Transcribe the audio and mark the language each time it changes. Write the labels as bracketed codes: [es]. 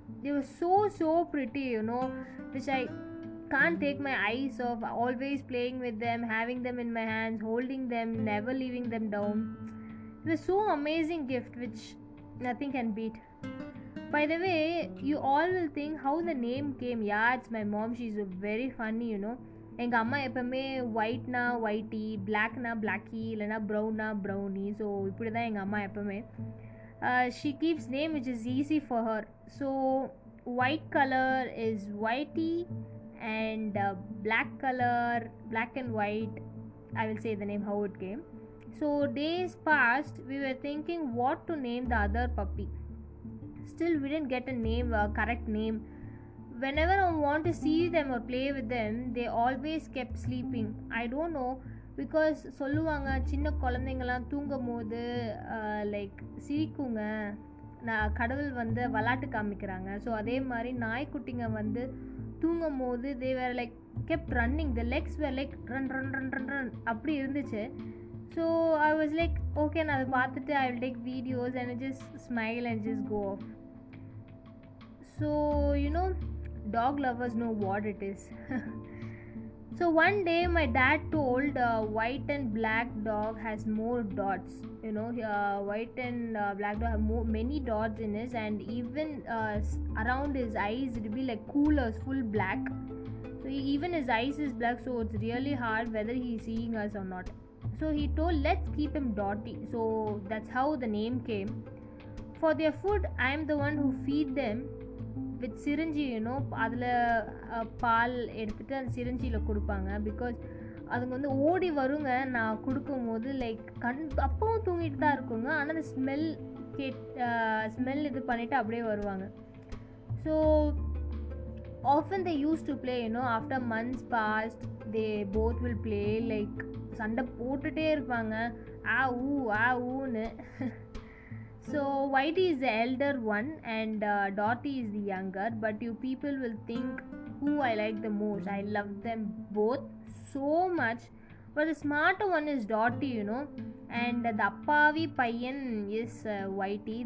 [en] They were so, so pretty, you know, which I can't take my eyes off, always playing with them, having them in my hands, holding them, never leaving them down. It was so amazing gift, which nothing can beat. By the way, you all will think how the name came. Yeah, it's my mom. She's very funny, you know. [ta] எங்கள் அம்மா எப்போவுமே ஒயிட்னா ஒயிட்டி, பிளாக்னா Blackie, இல்லைனா ப்ரௌனா brownie. So இப்படி தான் எங்கள் அம்மா எப்போவுமே. [en] She keeps name which is easy for her. So white color is whitey and black color, black and white, I will say the name how it came. So days passed, we were thinking what to name the other puppy. Still we didn't get a name, a correct name. Whenever I want to see them or play with them, they always kept sleeping. I don't know. [ta] Because சொல்லுவாங்க, சின்ன குழந்தைங்கள்லாம் தூங்கும் போது like சிரிக்குங்க, நான் கடவுள் வந்து விளையாட்டு காமிக்கிறாங்க. [en] so [ta] அதே மாதிரி நாய்க்குட்டிங்க வந்து தூங்கும் போது [en] they were like kept running, the legs were like run run run run run [ta] அப்படி இருந்துச்சு. [en] so I was like okay, [ta] நான் அதை பார்த்துட்டு [en] I will take videos and just smile and just go off. So you know, dog lovers know what it is. So one day my dad told white and black dog has more dots, you know, white and black dog have many dots in his, and even around his eyes it will be like coolers, full black. So even his eyes is black, so it's really hard whether he's seeing us or not. So he told, let's keep him Dotty. So that's how the name came. For their food, I'm the one who feed them. With syringe, you know, [ta] அதில் பால் எடுத்துகிட்டு அந்த சிரிஞ்சியில் கொடுப்பாங்க. Because அதுங்க வந்து ஓடி வருங்க நான் கொடுக்கும் போது, லைக் கண் அப்பவும் தூங்கிட்டு தான் இருக்குங்க, ஆனால் அந்த ஸ்மெல் ஸ்மெல் இது பண்ணிவிட்டு அப்படியே வருவாங்க. [en] so often they use to play, you know, after months past they both will play, like [ta] சண்டை போட்டுகிட்டே இருப்பாங்க, [en] ஆ ஊ ஆ ஊன்னு. So Whitey is the elder one and Dotty is the younger, but you people will think who I like the most. I love them both so much, but the smarter one is Dotty, you know, and the [ta] appavi payan [en] is Whitey.